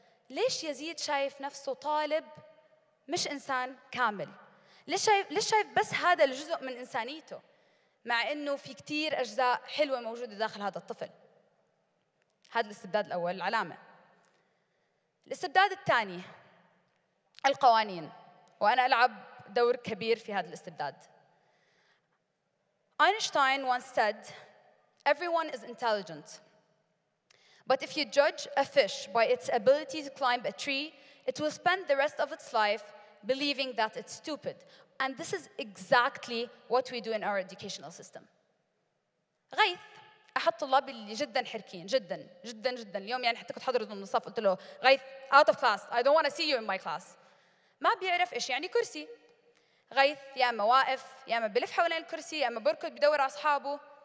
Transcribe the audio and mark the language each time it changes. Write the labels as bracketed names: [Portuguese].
[Arabic] ليش يزيد شايف نفسه طالب مش إنسان كامل؟ ليش شايف بس هذا الجزء من إنسانيته مع إنه في كتير أجزاء حلوة موجودة داخل هذا الطفل؟ هذا الاستبداد الأول، العلامة. الاستبداد الثاني، القوانين، وأنا ألعب دور كبير في هذا الاستبداد. [English] Einstein once said, "Everyone is intelligent, but if you judge a fish by its ability to climb a tree, it will spend the rest of its life believing that it's stupid." And this is exactly what we do in our educational system. [Arabic] غيث أحد الطلاب اللي جداً حركين، جداً جداً جداً. اليوم يعني حتى كنت حضرت من الصف، قلت له غيث [English] out of class, I don't want to see you in my class. [Arabic] ما بيعرف إيش يعني كرسي. غيث يا أما واقف، يا أما بلف حوالين الكرسي، يا أما بركض بدور أصحابه.